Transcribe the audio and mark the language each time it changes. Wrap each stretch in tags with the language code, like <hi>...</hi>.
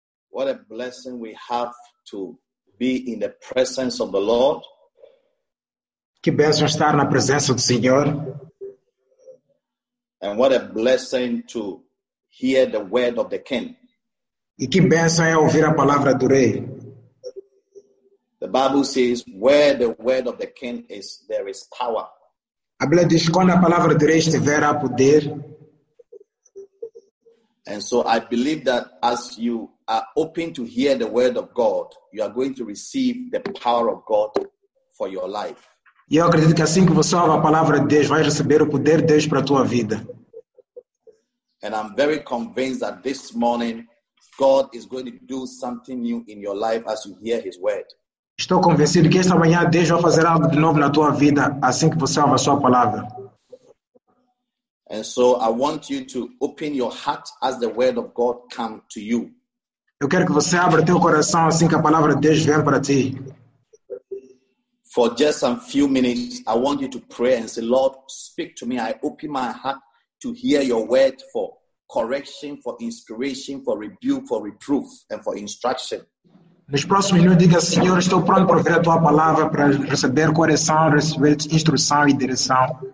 <en>What a blessing we have to be in the presence of the Lord.</en> <pt>Que bênção estar na presença do Senhor.</pt> <en>And what a blessing to hear the word of the King.</en> <pt>E que bênção é ouvir a palavra do Rei.</pt> <en>The Bible says, where the word of the King is, there is power.</en> <pt>A Bíblia diz, quando a palavra do Rei estiver, há poder.</pt> <en>And so I believe that as you are open to hear the word of God, you are going to receive the power of God for your life.</en> <pt>E eu acredito que assim que você ouve a palavra de Deus, vai receber o poder de Deus para a tua vida.</pt> <en>And I'm very convinced that this morning, God is going to do something new in your life as you hear his word.</en> <pt>Estou convencido que esta manhã Deus vai fazer algo de novo na tua vida assim que você ouve a sua palavra.</pt> <en>And so I want you to open your heart as the word of God comes to you.</en> <pt>Eu quero que você abra teu coração assim que a palavra de Deus vem para ti.</pt> <en>For just some few minutes, I want you to pray and say, Lord, speak to me. I open my heart to hear your word for correction, for inspiration, for rebuke, for reproof, and for instruction.</en> <pt>Nos próximos minutos, diga, Senhor, estou pronto para ouvir a tua palavra, para receber correção, receber instrução e direção.</pt>